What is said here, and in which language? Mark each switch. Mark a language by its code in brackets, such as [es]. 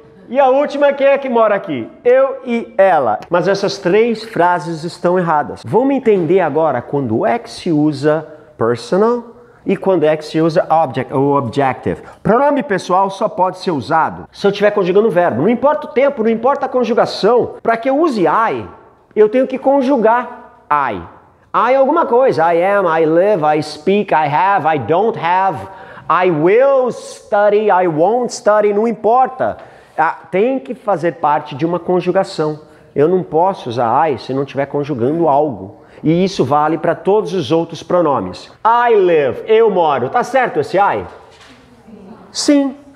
[pt] E a última, quem é que mora aqui? Eu e ela. Mas essas três frases estão erradas. Vamos entender agora quando é que se usa personal e quando é que se usa object ou objective. Pronome pessoal só pode ser usado se eu estiver conjugando o verbo. Não importa o tempo, não importa a conjugação. Para que eu use I, eu tenho que conjugar I. I é alguma coisa. [en] I am, I live, I speak, I have, I don't have. I will study, I won't study, [pt] não importa. Tem que fazer parte de uma conjugação. Eu não posso usar I se não estiver conjugando algo. E isso vale para todos os outros pronomes. [en] I live, [pt] eu moro. Tá certo esse I? Sim.